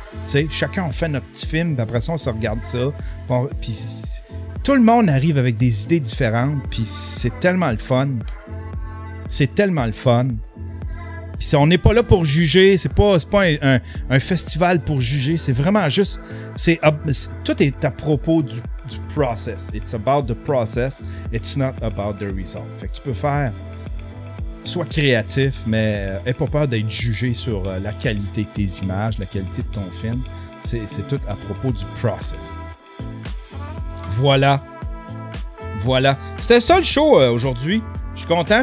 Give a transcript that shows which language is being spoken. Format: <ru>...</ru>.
<fr>T'sais, chacun, on fait notre petit film, puis après ça, on se regarde ça. Puis tout le monde arrive avec des idées différentes, puis c'est tellement le fun. C'est tellement le fun. Puis on n'est pas là pour juger, c'est pas un festival pour juger, c'est vraiment juste... tout est à propos du process.</fr> <en>It's about the process, it's not about the result.</en> <fr>Fait que tu peux faire... Sois créatif, mais n'aie pas peur d'être jugé sur la qualité de tes images, la qualité de ton film. C'est tout à propos du process. Voilà. C'était ça le show aujourd'hui. Je suis content.</fr>